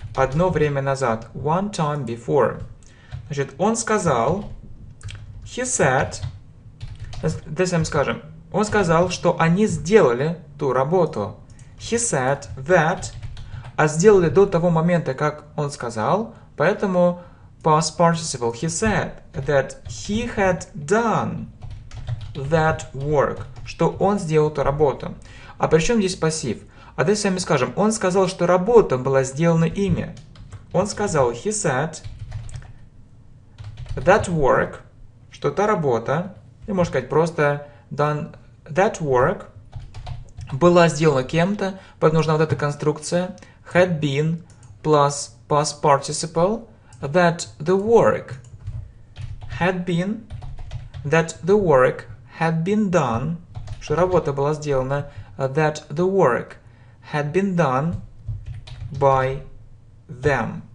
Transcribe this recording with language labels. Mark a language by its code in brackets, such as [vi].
[ru] Одно время назад. [en] One time before. [ru] Значит, он сказал. [en] He said. [ru] Давайте сами скажем. Он сказал, что они сделали ту работу. [en] He said that. [ru] А сделали до того момента, как он сказал. Поэтому past participle. [en] He said that he had done that work. [ru] Что он сделал ту работу. А при чем здесь пассив? А давайте сами скажем. Он сказал, что работа была сделана ими. Он сказал. [en] He said that work. [ru] Что та работа. И можно сказать просто [en] done that work [ru] была сделана кем-то, поэтому нужна вот эта конструкция [en] had been plus past participle that the work had been that the work had been done, [ru] что работа была сделана [en] that the work had been done by them.